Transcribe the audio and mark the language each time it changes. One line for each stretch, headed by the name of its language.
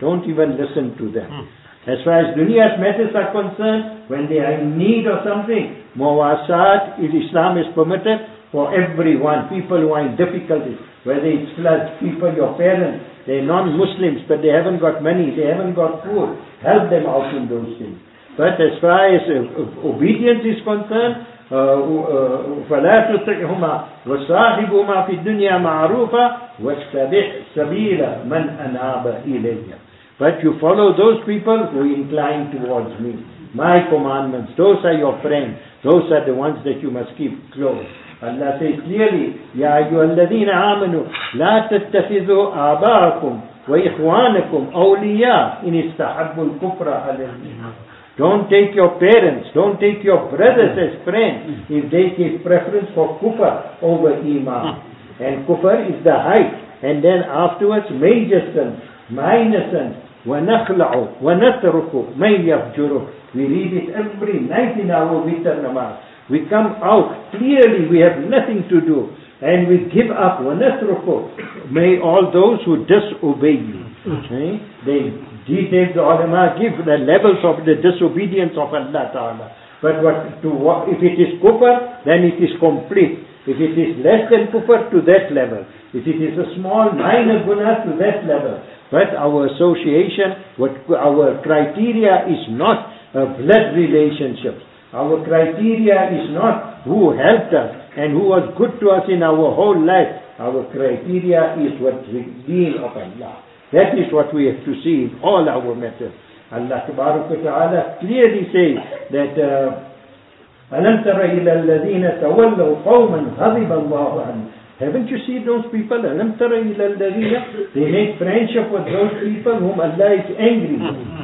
English: Don't even listen to them. As far as dunya's matters are concerned, when they are in need of something, مواسات, if Islam is permitted, for everyone, people who are in difficulties, whether it's flood, people, your parents, they're non-Muslims, but they haven't got money, they haven't got food, help them out in those things. But as far as obedience is concerned,
Arabic: فَلَا تُطِعْهُمَا وَصَاحِبُهُمَا فِي الدُّنْيَا مَعْرُوفًا وَاسْتَبِعْ سَبِيلَ مَنْ أَنَابَ إِلَيَّ.
English: But you follow those people who incline towards me. My commandments, those are your friends, those are the ones that you must keep close. Allah says clearly,
Arabic: يَا أَيُّهَا الَّذِينَ آمَنُوا لَا تَتَّخِذُوا آبَاءَكُمْ وَإِخْوَانَكُمْ أَوْلِيَاءَ إِنِ اسْتَحَبُّوا الْكُفْرَ عَلَى الْإِيمَانِ.
English: Don't take your parents, don't take your brothers as friends if they give preference for kufr over iman. And kufr is the height. And then afterwards, major sins, minus and
Arabic: وَنَخْلَعُ وَنَتْرُكُ مَنْ يَفْجُرُ.
English: We leave it every night in our winter namaz. We come out, clearly we have nothing to do. And we give up
Arabic: وَنَتْرُكُ.
English: May all those who disobey you. Okay? The details of the ulama give the levels of the disobedience of Allah Ta'ala. But if it is kufr, then it is complete. If it is less than kufr, to that level. If it is a small minor guna, to that level. But our association, our criteria is not a blood relationship. Our criteria is not who helped us and who was good to us in our whole life. Our criteria is what we deal of Allah. That is what we have to see in all our matters. Allah Tabaraka Ta'ala clearly says that
Arabic: أَلَمْ تَرَ إِلَى الَّذِينَ تَوَلَّوْا قَوْمًا غَضِبَ اللَّهُ عَنْهُ.
English: Haven't you seen those people?
Arabic: أَلَمْ تَرَ إِلَى الَّذِينَ.
English: They make friendship with those people whom Allah is angry with.